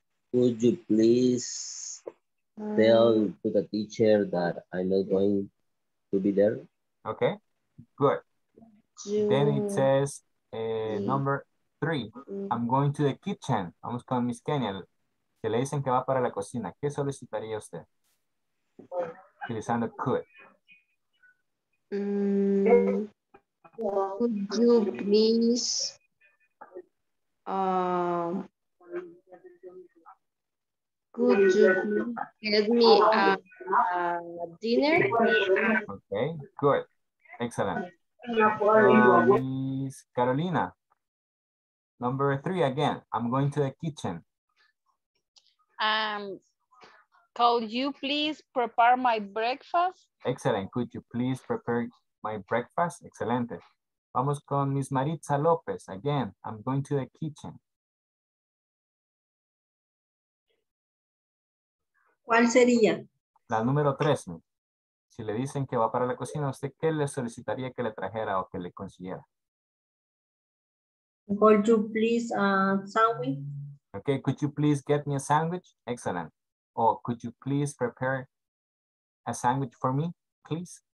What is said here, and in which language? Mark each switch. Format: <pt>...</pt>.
<en>Could you please tell to the teacher that I'm not going to be there? Okay, good. Yeah. Then it says, number three, I'm going to the kitchen.</en> <es>Vamos con Miss Kenyal. Que le dicen que va para la cocina. ¿Qué solicitaría usted? Utilizando could.</es> <en>Could you please um, Could you get me a dinner? Okay, good. Excellent. Miss Carolina, number three again. I'm going to the kitchen. Could you please prepare my breakfast? Excellent. Could you please prepare my breakfast? Excellent.</en> <es>Vamos con</es> <en>Miss Maritza Lopez again. I'm going to the kitchen.</en> <es>¿Cuál sería? La número tres. Si le dicen que va para la cocina, ¿usted qué le solicitaría que le trajera o que le consiguiera?</es> <en>Could you please sandwich? Okay, could you please get me a sandwich? Excellent. Or could you please prepare a sandwich for me, please?</en>